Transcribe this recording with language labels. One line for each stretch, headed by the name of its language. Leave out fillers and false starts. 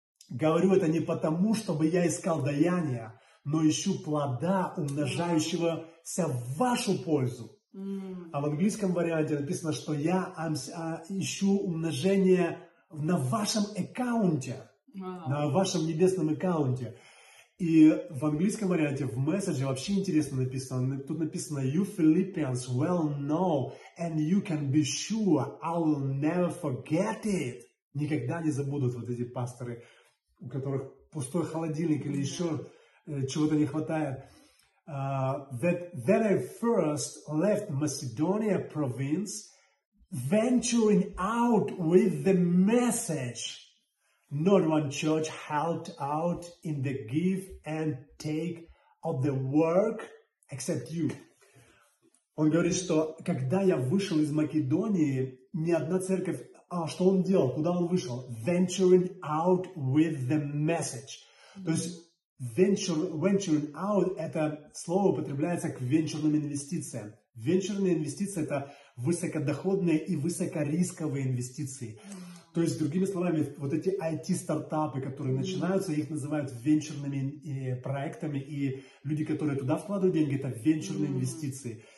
Russian: Говорю это не потому, чтобы я искал даяния, но ищу плода, умножающегося в вашу пользу. А в английском варианте написано, что я ищу умножение на вашем аккаунте, на вашем небесном аккаунте. И в английском варианте, в месседже вообще интересно написано, тут написано
English: «You Philippians well know, and you can be sure I will never forget it».
Russian: Никогда не забудут вот эти пасторы, у которых пустой холодильник или еще чего-то не хватает.
English: That I first left Macedonia province, venturing out with the message. Not one church helped out in the give and take of the work, except you.
Russian: Он говорит, что когда я вышел из Македонии, ни одна церковь... А что он делал? Куда он вышел?
English: Venturing out with the message.
Russian: То есть
English: venturing out
Russian: – это слово употребляется к венчурным инвестициям. Венчурные инвестиции – это высокодоходные и высокорисковые инвестиции. То есть, другими словами, вот эти IT-стартапы, которые начинаются, их называют венчурными проектами, и люди, которые туда вкладывают деньги, это венчурные инвестиции.